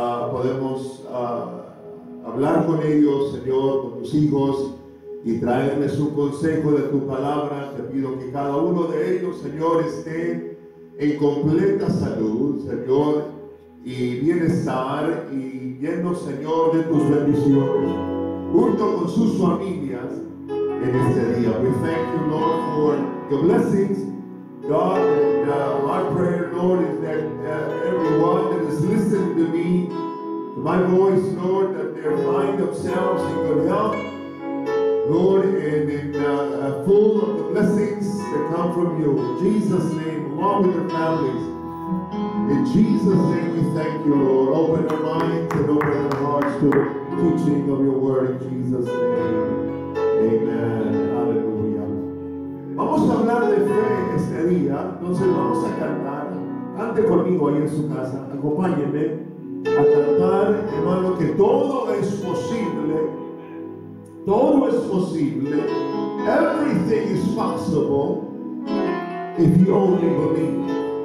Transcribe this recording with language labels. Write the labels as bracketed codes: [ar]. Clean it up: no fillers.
[es] Podemos hablar con ellos, Señor, con tus hijos, y traerles un consejo de tu palabra. Te pido que cada uno de ellos, Señor, esté en completa salud, Señor, y bienestar y lleno, Señor, de tus bendiciones junto con sus familias en este día. [en] We thank you, Lord, for your blessings, God. And my prayer, Lord, is that everyone that is listening to me, to my voice, Lord, that they find themselves in good health, Lord, and in full of the blessings that come from you. In Jesus' name, along with their families. In Jesus' name we thank you, Lord. Open our minds and open our hearts to the teaching of your word in Jesus' name. [es] Amen. Aleluya. Vamos a hablar de fe en este día. Entonces vamos a cantar. Cante conmigo ahí en su casa. Acompáñenme a cantar, hermano, que todo es posible. Todo es posible. [en] Everything is possible if you only believe.